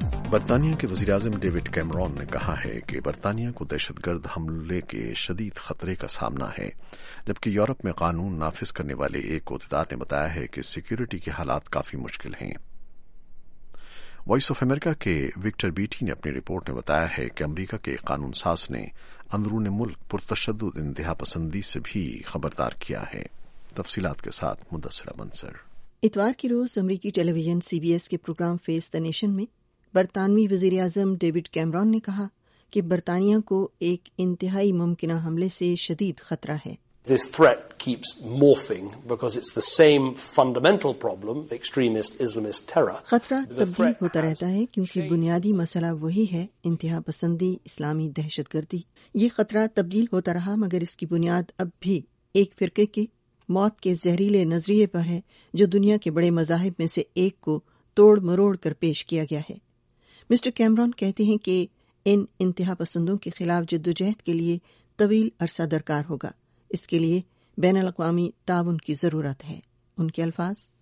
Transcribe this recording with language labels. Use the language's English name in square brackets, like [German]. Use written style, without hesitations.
[Urdu] برطانیہ کے وزیراعظم ڈیوڈ کیمرون نے کہا ہے کہ برطانیہ کو دہشت گرد حملے کے شدید خطرے کا سامنا ہے، جبکہ یورپ میں قانون نافذ کرنے والے ایک عہدیدار نے بتایا ہے کہ سیکیورٹی کے حالات کافی مشکل ہیں۔ وائس آف امریکہ کے وکٹر بیٹی نے اپنی رپورٹ میں بتایا ہے کہ امریکہ کے قانون ساز نے اندرون ملک پرتشدد انتہا پسندی سے بھی خبردار کیا ہے۔ تفصیلات کے ساتھ مدثرہ منصر۔ اتوار کی روز امریکی ٹیلی ویژن سی بی ایس کے پروگرام فیس دا نیشن میں برطانوی وزیراعظم ڈیوڈ کیمرون نے کہا کہ برطانیہ کو ایک انتہائی ممکنہ حملے سے شدید خطرہ ہے۔ [English] This threat keeps morphing because it's the same fundamental problem, extremist Islamist terror. [Urdu] خطرہ تبدیل ہوتا رہتا ہے کیونکہ بنیادی مسئلہ وہی ہے، انتہا پسندی، اسلامی دہشت گردی۔ یہ خطرہ تبدیل ہوتا رہا مگر اس کی بنیاد اب بھی ایک فرقے کے موت کے زہریلے نظریے پر ہے، جو دنیا کے بڑے مذاہب میں سے ایک کو توڑ مروڑ کر پیش کیا گیا ہے۔ مسٹر کیمرون کہتے ہیں کہ ان انتہا پسندوں کے خلاف جدوجہد کے لیے طویل عرصہ درکار ہوگا، اس کے لیے بین الاقوامی تعاون کی ضرورت ہے۔ ان کے الفاظ،